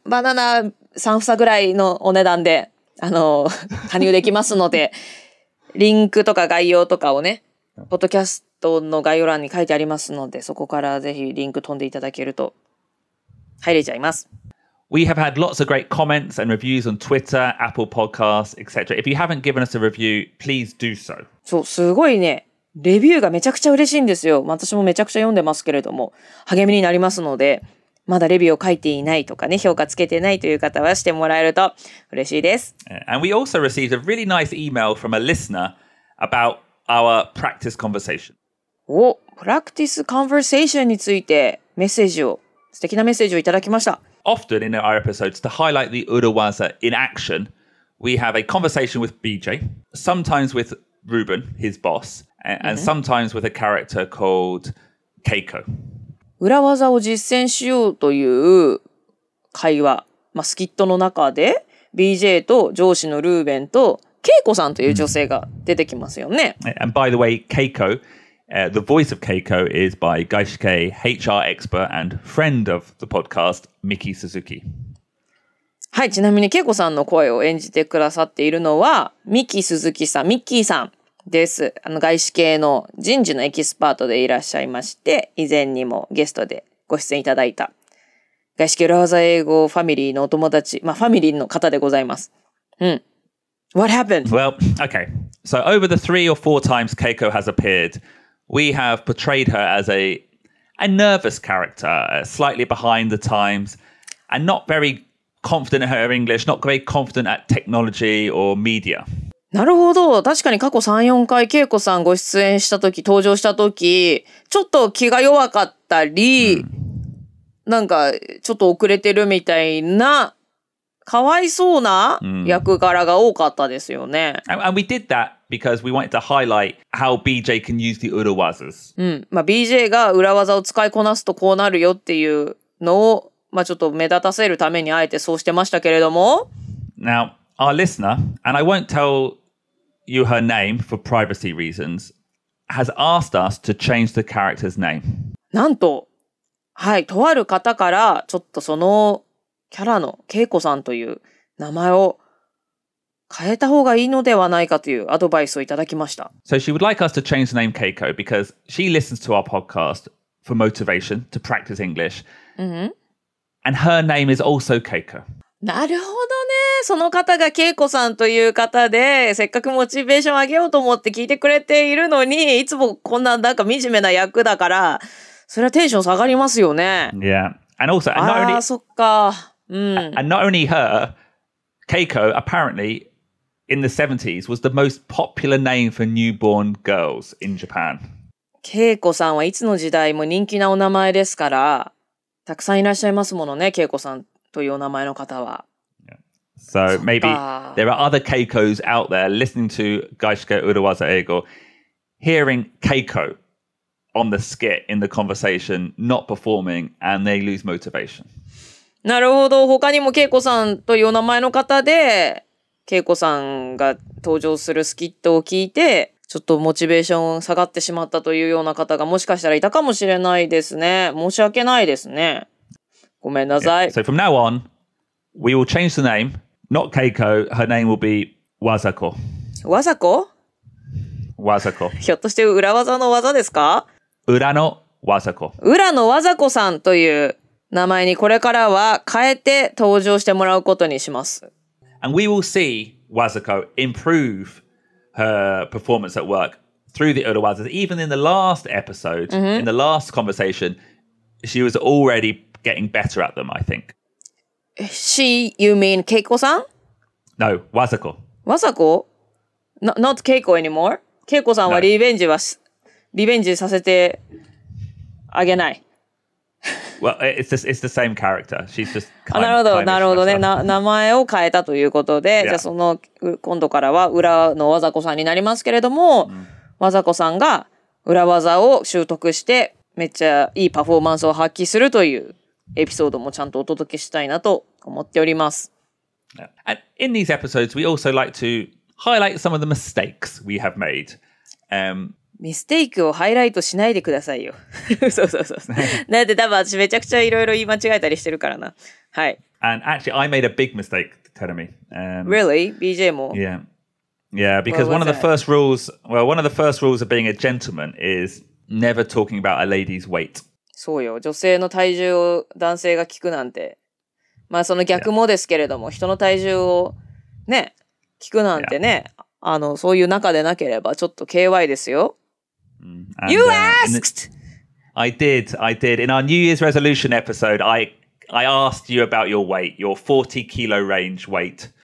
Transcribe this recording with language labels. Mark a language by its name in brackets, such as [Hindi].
[Japanese] バナナ三房ぐらいのお値段で、あの、加入できますので、リンクとか概要とかをね、ポッドキャストの概要欄に書いてありますので、そこからぜひリンク飛んでいただけると、入れちゃいます。 [English] We have had lots of great comments and reviews on Twitter, Apple Podcasts, etc. If you haven't given us a review, please do so. [Japanese] そう、すごいね。レビューがめちゃくちゃ嬉しいんですよ。私もめちゃくちゃ読んでますけれども、励みになりますので、まだレビューを書いていないとかね、評価つけてないという方はしてもらえると嬉しいです。 [English] And we also received a really nice email from a listener about our practice conversation. [Japanese] お、プラクティスコンバーセーションについてメッセージを、素敵なメッセージをいただきました。 [English] Often in our episodes, to highlight the Urawaza in action, we have a conversation with BJ, sometimes with Ruben, his boss, and sometimes with a character called Keiko. [Japanese] Urawaza を実践しようという会話、まあ、スキットの中で BJ と上司のルーベンと Keiko さんという女性が出てきますよね。 [English] And by the way, Keiko,the voice of Keiko is by Gaishike, HR expert and friend of the podcast, Miki Suzuki. [Japanese] はい、ちなみに Keiko さんの声を演じてくださっているのは、Miki Suzuki さん、Miki さんです。あの、外資系の人事のエキスパートでいらっしゃいまして、以前にもゲストでご出演いただいた、外資系裏技英語ファミリーのお友達、まあ、ファミリーの方でございます。 [English] うん。What happened? Well, okay. So, over the three or four times Keiko has appeared,We have portrayed her as a nervous character, slightly behind the times, and not very confident in her English, not very confident at technology or media. [Japanese] なるほど。確かに過去3、4回、ケイコさんご出演したとき、登場したとき、ちょっと気が弱かったり、なんかちょっと遅れてるみたいなかわいそうな役柄が多かったですよね。 [English] And we did that because we wanted to highlight how BJ can use the 裏技。 [Japanese] うん。まあ、BJ が裏技を使いこなすとこうなるよっていうのを、まあ、ちょっと目立たせるためにあえてそうしてましたけれども。 [English] Now, our listener, and I won't tell you her name for privacy reasons, has asked us to change the character's name. [Japanese] なんと、はい、とある方からちょっとそのキャラのケイコさんという名前を変えた方がいいのではないかというアドバイスをいただきました。 [English] So she would like us to change the name Keiko because she listens to our podcast for motivation to practice English. Mm-hmm. And her name is also Keiko. [Japanese] なるほどね。その方がケイコさんという方で、せっかくモチベーション上げようと思って聞いてくれているのに、いつもこんななんか惨めな役だから、それはテンション下がりますよね。 [English] Yeah. And also, and not only... [Japanese] あー、そっか。 [English] And not only her, Keiko apparently in the 70s was the most popular name for newborn girls in Japan. [Japanese] Keiko さんはいつの時代も人気なお名前ですから、たくさんいらっしゃいますものね、Keiko さんというお名前の方は。 [English] So maybe there are other Keikos out there listening to Gaishika Urawaza Eigo, hearing Keiko on the skit in the conversation, not performing, and they lose motivation. [Japanese] なるほど。他にもケイコさんというお名前の方で、ケイコさんが登場するスキットを聞いて、ちょっとモチベーション下がってしまったというような方がもしかしたらいたかもしれないですね。申し訳ないですね。ごめんなさい。 [English] Yeah. So from now on, we will change the name. Not Keiko, her name will be Wazako. Wazako? Wazako. [Japanese] ひょっとして裏技の技ですか？裏の Wazako。裏の Wazako さんという、名前にこれからは変えて登場してもらうことにします。 [English] And we will see Wazako improve her performance at work through the Urawazas. Even in the last episode,、mm-hmm. in the last conversation, she was already getting better at them, I think. She, you mean Keiko-san? No, Wazako. Wazako? Not Keiko anymore? [Japanese] Keiko-san はリベンジは、 [English] no. [Japanese] リベンジさせてあげない。 [English] Well, it's the same character. She's just kind of... [Japanese] なるほど、なるほどね。名前を変えたということで、yeah. じゃあその、今度からは裏の和佐子さんになりますけれども、和佐子さんが裏技を習得して、めっちゃいいパフォーマンスを発揮するというエピソードもちゃんとお届けしたいなと思っております。 [English] Yeah. And in these episodes, we also like to highlight some of the mistakes we have made. [Japanese] ミステイクをハイライトしないでくださいよ。そうそうそう。なんで多分私めちゃくちゃいろいろ言い間違えたりしてるからな。はい。 [English] And actually, I made a big mistake, Terumi. Really? BJ も? Yeah. Yeah, because one of the first rules, well, one of the first rules of being a gentleman is never talking about a lady's weight. [Japanese] そうよ。女性の体重を男性が聞くなんて。まあその逆もですけれども、人の体重をね、聞くなんてね、あの、そういう中でなければちょっと KY ですよ。 [English] And, you asked! I did. In our New Year's resolution episode, I asked you about your weight, your 40 kilo range weight.